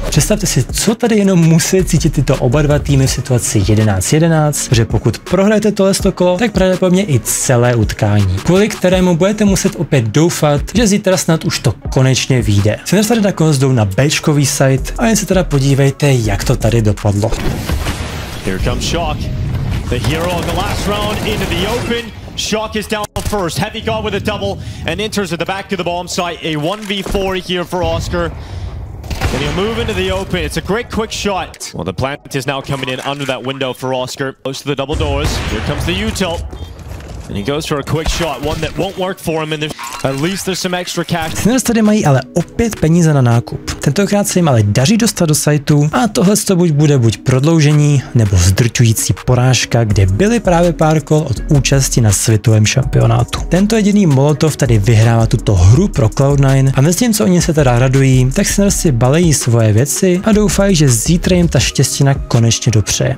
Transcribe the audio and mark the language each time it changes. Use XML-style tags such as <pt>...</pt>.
<cs>Představte si, co tady jenom musí cítit tyto oba dva týmy v situaci 11-11, že pokud prohráte tohle kolo, tak pravděpodobně i celé utkání, kvůli kterému budete muset opět doufat, že zítra snad už to konečně vyjde. Sinners tady nakonec jdou na Bčkový site a jen se teda podívejte, jak to tady dopadlo.</cs> <en>Here comes Shock, the hero of the last round into the open. Shock is down first, heavy guard with a double and enters at the back of the bomb site, a 1v4 here for Oscar. And he'll move into the open. It's a great quick shot. Well, the plant is now coming in under that window for Oscar. Close to the double doors. Here comes the util. And he goes for a quick shot, one that won't work for him, and at least there's some extra cash.</en> <cs>Sinners tady mají ale opět peníze na nákup. Tentokrát se jim ale daří dostat do sajtu a tohle to buď bude buď prodloužení nebo zdrčující porážka, kde byly právě pár kol od účasti na světovém šampionátu. Tento jediný molotov tady vyhrává tuto hru pro Cloud9 a mezi tím, co oni se teda radují, tak Sinners si balejí svoje věci a doufají, že zítra jim ta štěstina konečně dopře.</cs>